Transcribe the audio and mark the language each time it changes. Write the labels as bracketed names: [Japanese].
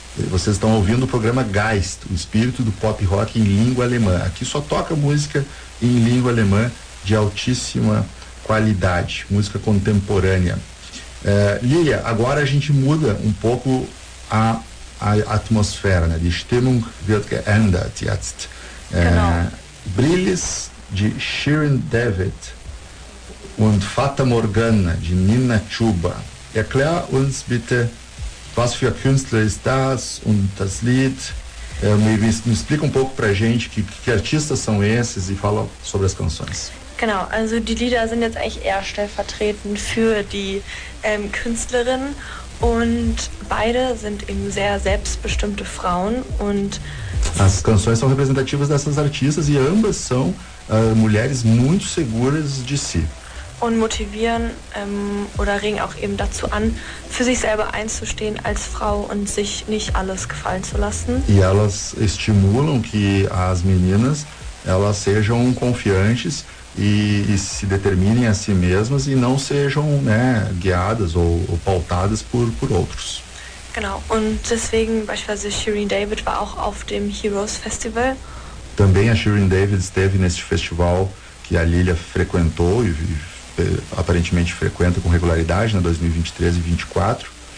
[Portuguese] Vocês estão ouvindo o programa Geist, o espírito do pop rock em língua alemã. Aqui só toca música em língua alemã de altíssima qualidade, música contemporânea. Lilia, agora a gente muda um pouco a atmosfera, né? [German] Die Stimmung wird geändert jetzt. Genau. [Portuguese] Brillis de Shirin David und Fata Morgana de Nina Chuba. [German] Erklär uns bitte, was für Künstler ist das und das Lied. [Portuguese] Me explica um pouco pra gente que artistas são esses e fala sobre as canções. [German] Genau, also die Lieder sind jetzt eigentlich eher stellvertretend für die Künstlerin. Und beide sind eben sehr selbstbestimmte Frauen und [Portuguese] as canções são representativas dessas artistas e ambas são mulheres muito seguras de si. [German] Und motivieren oder regen auch eben dazu an, für sich selber einzustehen als Frau und sich nicht alles gefallen zu lassen. [Portuguese] E elas estimulam que as meninas elas sejam confiantes e se determinem a si mesmas e não sejam, né, guiadas ou pautadas por outros. [German] Genau, und deswegen beispielsweise Shirin David war auch auf dem Heroes Festival. [Portuguese] Também a Shirin David esteve nesse festival que a Lilia frequentou e aparentemente frequenta com regularidade, né, 2023 e 24.